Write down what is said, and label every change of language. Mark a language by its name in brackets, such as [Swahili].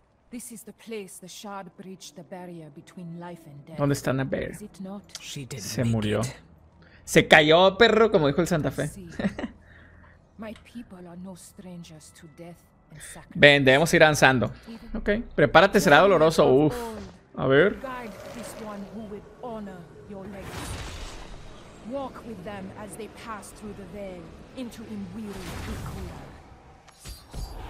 [English] This is the place the Shard bridged the barrier between life and death. [Spanish] ¿Dónde está Naveira? [English] Is it not? She didn't make it. [Spanish] Se murió. Se cayó, perro, como dijo el Santa Fe. [English] My people are no strangers to death and sacrifice. [Spanish] Ven, debemos ir avanzando. Okay. Prepárate, será doloroso. Uf. A ver. [English] Guide this one who would honor your legacy. Walk with them as they pass through the veil into Imwiri Ikula.